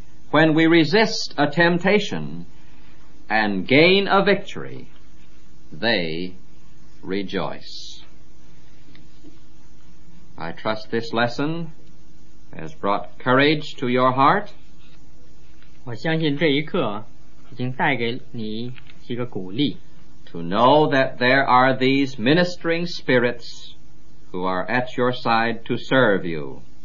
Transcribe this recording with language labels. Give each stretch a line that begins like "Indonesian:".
English: When we resist a temptation and gain a victory, they rejoice. I trust this lesson has brought courage to your heart.
Chinese: 我相信这一刻已经带给你几个鼓励。
English: To know that there are these ministering spirits who are at your side to serve you.